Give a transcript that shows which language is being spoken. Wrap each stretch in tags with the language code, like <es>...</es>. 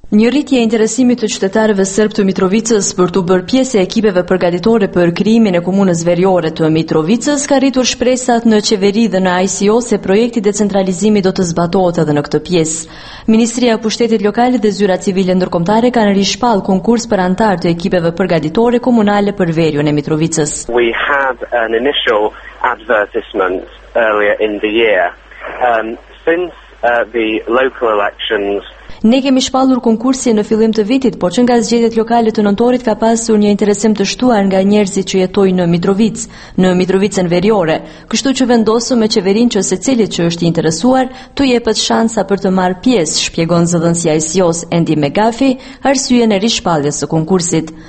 <sq>Një rritje e interesimit të qytetarëve serb të Mitrovicës për të bërë pjesë e ekipeve përgatitore për krijimin e komunës veriore të Mitrovicës ka rritur shpresat në qeveri dhe në ICO se projekti decentralizimi do të zbatohet edhe në këtë pjesë. Ministria e Pushtetit Lokal dhe zyra civile ndërkombëtare kanë rishpall konkurs për anëtar të ekipeve përgatitore komunale për veriun e Mitrovicës.</sq> <en>We had an initial advertisement earlier in the year. Since the local elections,</en> <sq>ne kemi shpallur konkursin në fillim të vitit, por që nga zgjedhjet lokale të nëntorit ka pasur një interesim të shtuar nga njerëzit që jetojnë në Mitrovicë, në Mitrovicën Veriore, kështu që vendosëm me qeverinë që secili që është i interesuar të jepet shansa për të marrë pjesë, shpjegon zëdhënësia e ICO-s Endi Megafi, arsyen e rishpalljes së konkursit.</sq>